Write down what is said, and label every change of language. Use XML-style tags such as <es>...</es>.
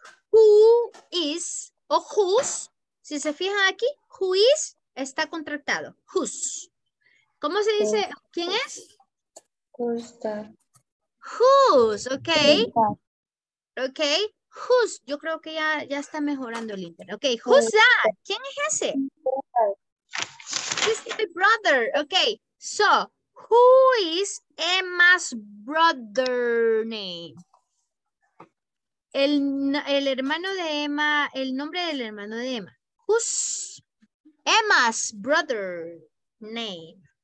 <en>Who is</en> <es>o whose? Si se fijan aquí, who is está contractado. Whose. ¿Cómo se dice? ¿Quién es?</es> <en>Who's that? Whose, ok. Ok, whose.</en> <es>Yo creo que ya está mejorando el internet.</es> <en>Ok, who's that?</en> <es>¿Quién es ese?</es> <en>This is my brother. Ok, so, who is Emma's brother name?</en> <es>El hermano de Emma, el nombre del hermano de Emma.</es> <en>Who's Emma's brother name?</en>